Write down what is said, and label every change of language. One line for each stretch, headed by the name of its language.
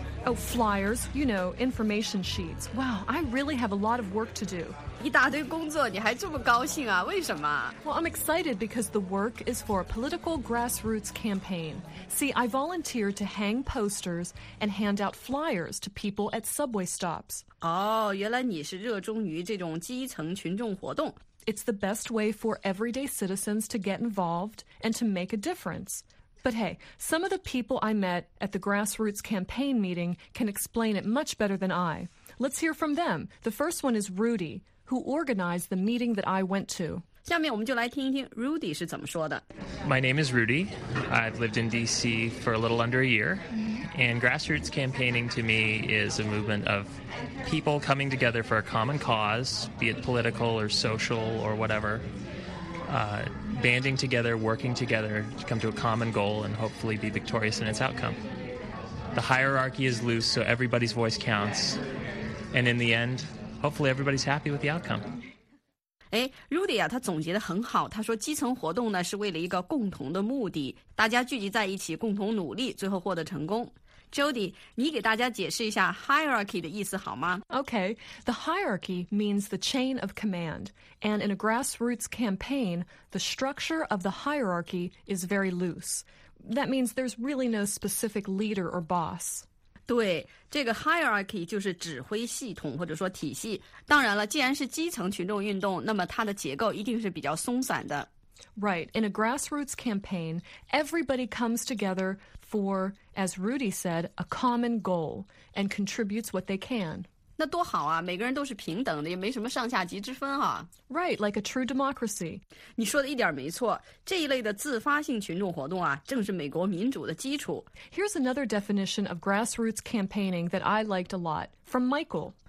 English: Oh, flyers, you know, information sheets. Wow, I really have a lot of work to do.
Chinese: 一大堆工作你还这么高兴啊？为什么？
English: Well, I'm excited because the work is for a political grassroots campaign. See, I volunteer to hang posters and hand out flyers to people at subway stops.
Chinese: 哦，原来你是热衷于这种基层群众活动。
English: It's the best way for everyday citizens to get involved and to make a difference. But hey, some of the people I met at the grassroots campaign meeting can explain it much better than I. Let's hear from them. The first one is Rudy, who organized the meeting that I went to.
Chinese: 下面我们就来听一听 Rudy 是怎么说的。
English: My name is Rudy. I've lived in D.C. for a little under a year. And grassroots campaigning to me is a movement of people coming together for a common cause, be it political or social or whatever, banding together, working together to come to a common goal and hopefully be victorious in its outcome. The hierarchy is loose, so everybody's voice counts. And in the end, hopefully everybody's happy with the outcome.
Chinese: 哎 ，Rudy 啊，他总结得很好。他说，基层活动呢是为了一个共同的目的，大家聚集在一起，共同努力，最后获得成功。 Jody， 你给大家解释一下 hierarchy 的意思好吗
English: ？Okay, the hierarchy means the chain of command, and in a grassroots campaign, the structure of the hierarchy is very loose. That means there's really no specific leader or boss.
Chinese: 对，这个 hierarchy 就是指挥系统或者说体系。当然了，既然是基层群众运动，那么它的结构一定是比较松散的。
English: Right, in a grassroots campaign, everybody comes together for, as Rudy said, a common goal and contributes what they can.
Chinese: 那多好啊，每个人都是平等的，也没什么上下级之分啊。
English: Right, like a true democracy.
Chinese: 你说的一点没错，这一类的自发性群众活动啊，正是美国民主的基础。
English: Here's another definition of grassroots campaigning that I liked a lot, from Michael.